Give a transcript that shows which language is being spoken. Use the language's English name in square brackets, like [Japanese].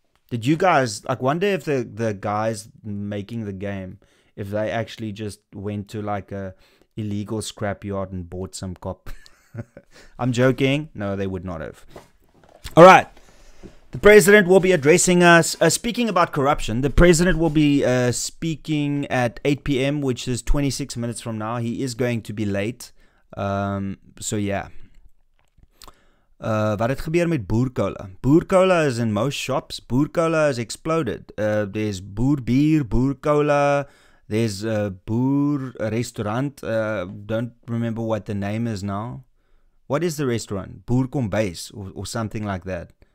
[English] Did you guys, like, wonder if the guys making the game, if they actually just went to, like, a illegal scrapyard and bought some cop? I'm joking. No, they would not have. All right. The president will be addressing us, speaking about corruption. The president will be speaking at 8 p.m., which is 26 minutes from now. He is going to be late. [Afrikaans] Wat het gebeur met boerkola? [English] Boerkola is in most shops. Boerkola has exploded. There's boerbier, boerkola. There's a boer restaurant. Don't remember what the name is now. What is the restaurant? Boerkombees or something like that.